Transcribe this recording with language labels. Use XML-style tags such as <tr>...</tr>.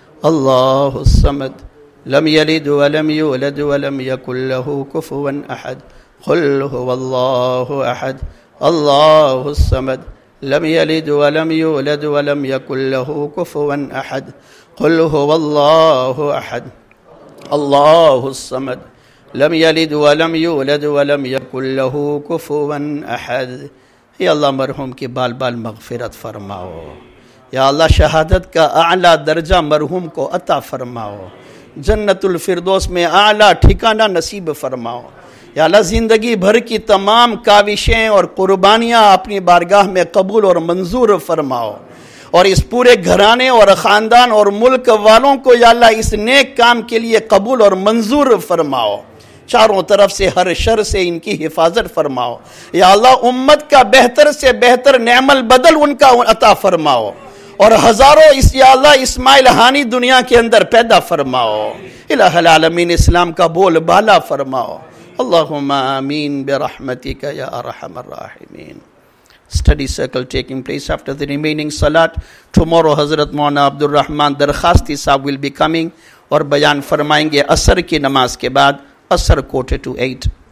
<ar>الله الصمد لم يلد ولم يولد ولم يكن له كفوا احد قل هو الله احد الله الصمد لم يلد ولم يولد ولم يكن له كفوا احد قل هو الله احد الله الصمد لم يلد ولم يولد ولم يكن له كفوا احد.</ar> <ur>یا اللہ مرحوم کی بال بال مغفرت فرماؤ. یا اللہ شہادت کا اعلیٰ درجہ مرحوم کو عطا فرماؤ. جنت الفردوس میں اعلیٰ ٹھکانہ نصیب فرماؤ. یا اللہ زندگی بھر کی تمام کاوشیں اور قربانیاں اپنی بارگاہ میں قبول اور منظور فرماؤ. اور اس پورے گھرانے اور خاندان اور ملک والوں کو یا اللہ اس نیک کام کے لیے قبول اور منظور فرماؤ. چاروں طرف سے ہر شر سے ان کی حفاظت فرماؤ. یا اللہ امت کا بہتر سے بہتر نعم البدل ان کا عطا فرماؤ. اور ہزاروں اس یا اللہ اسماعیل ہانی دنیا کے اندر پیدا فرماؤ. الہ العالمین اسلام کا بول بالا فرماؤ.</ur> <ar>اللہم آمین برحمتک یا ارحم الراحمین.</ar> <en>Study circle taking place after the remaining salat. Tomorrow, Hazrat Maulana Abdul Rahman Darkhasti Sahib will be coming.</en> <ur>Aur bayan farmayenge asr ki namaz ke baad. Asr 7:45.</ur>